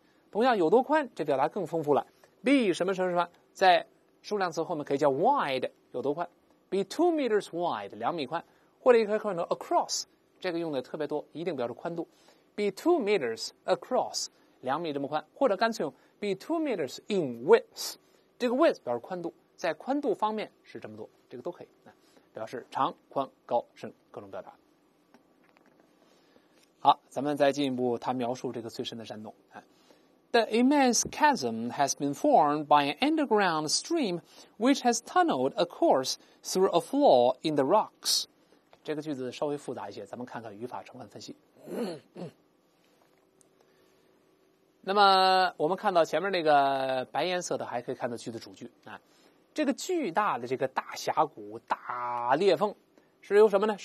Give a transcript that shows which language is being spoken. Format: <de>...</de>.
<zh>同样有多宽，这表达更丰富了， be 什么什么什么，在数量词后面可以叫 wide， 有多宽，</zh> <en>be 2 meters wide，</en> <zh>两米宽，或者也可以说 across， 这个用的特别多，一定表示宽度，</zh> <en>be 2 meters across，</en> <zh>两米这么宽，或者干脆用</zh> <en>be 2 meters in width，</en> <zh>这个 width 表示宽度，在宽度方面是这么多，这个都可以表示长宽高深各种表达。好，咱们再进一步他描述这个最深的山洞。</zh> <en>The immense chasm has been formed by an underground stream which has tunneled a course through a flaw in the rocks。</en> <zh>这个句子稍微复杂一些，咱们看看语法成分分析。那么我们看到前面那个白颜色的，还可以看到句的主句啊，这个巨大的这个大峡谷大裂缝是由什么呢？</zh>